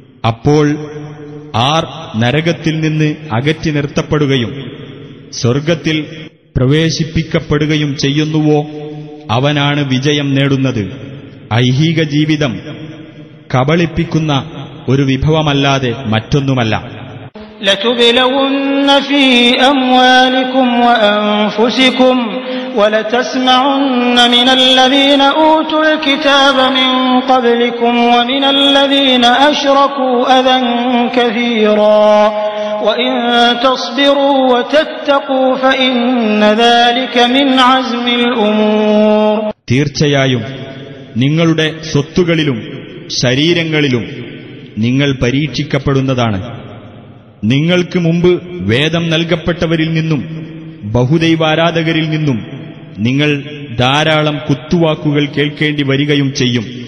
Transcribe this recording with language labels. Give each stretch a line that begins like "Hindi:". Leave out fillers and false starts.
Malayalam: അപ്പോൾ ആർ നരകത്തിൽ നിന്ന് അകറ്റി നിർത്തപ്പെടുകയും സ്വർഗത്തിൽ പ്രവേശിപ്പിക്കപ്പെടുകയും ചെയ്യുന്നുവോ അവനാണ് വിജയം നേടുന്നത്. ഐഹിക ജീവിതം കബളിപ്പിക്കുന്ന ഒരു വിഭവമല്ലാതെ മറ്റൊന്നുമല്ല.
Arabic: ولتسمعن من الذين أوتوا الكتاب من قبلكم ومن الذين أشركوا أذى كثيرا وإن تصبروا وتتقوا فإن ذلك من عزم الأمور.
Malayalam: തീർച്ചയായും നിങ്ങളുടെ സ്വത്തുകളിലും ശരീരങ്ങളിലും നിങ്ങൾ പരീക്ഷിക്കപ്പെടുന്നതാണ്. നിങ്ങൾക്ക് മുമ്പ് വേദം നൽകപ്പെട്ടവരിൽ നിന്നും ബഹുദൈവാരാധകരിൽ നിന്നും നിങ്ങൾ ധാരാളം കുത്തുവാക്കുകൾ കേൾക്കേണ്ടി വരികയും ചെയ്യും.